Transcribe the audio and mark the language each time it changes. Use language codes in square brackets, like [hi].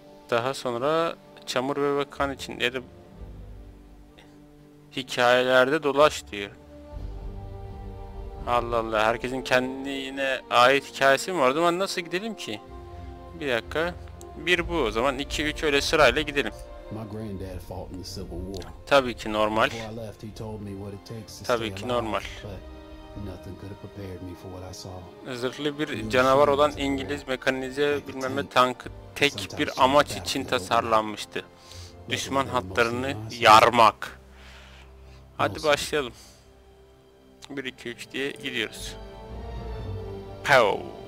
[tr] Daha sonra çamur ve kan için ya da hikayelerde dolaş diyor. Allah Allah. Herkesin kendine ait hikayesi mi var? O zaman nasıl gidelim ki? Bir dakika. Bir bu. O zaman 2-3 öyle sırayla gidelim. [en] My granddad fought in the Civil War. [tr] Tabii ki normal. [en] Before I left, he told me what it takes to stay alive. Nothing could have prepared me for what I saw. [tr] Özürlü bir canavar olan İngiliz mekanize bilmem ne tankı tek bir amaç için tasarlanmıştı. Düşman hatlarını yarmak. Hadi başlayalım. 1 2 3 diye gidiyoruz. Pow.